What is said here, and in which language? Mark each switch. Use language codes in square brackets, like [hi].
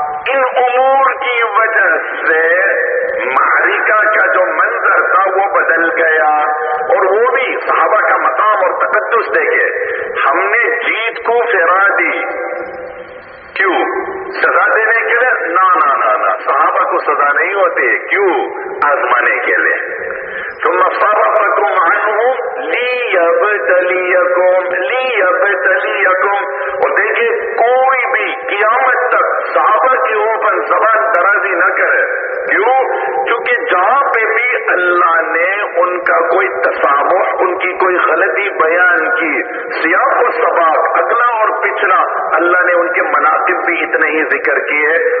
[ur] ان امور کی وجہ سے معرکہ کا جو منظر تھا وہ بدل گیا, اور وہ بھی صحابہ کا مقام اور تقدس دیکھے. ہم نے جیت کو پھیرا دی. کیوں؟ سزا دینے کے لیے؟ نا نا نا نا, صحابہ کو سزا نہیں ہوتی. کیوں؟ آزمانے کے لیے. [ar] ثم صرفكم عنهم ليبتليكم ليبتليكم. [ur] اور دیکھیے کوئی بھی قیامت تک صحابہ کے اوپر زبان درازی نہ کرے. کیوں؟ کیونکہ جہاں پہ بھی اللہ نے ان کا کوئی تسامح, ان کی کوئی غلطی بیان کی, سیاق و سباق اگلا اور پچھلا اللہ نے ان کے مناقب بھی اتنے ہی ذکر کیے.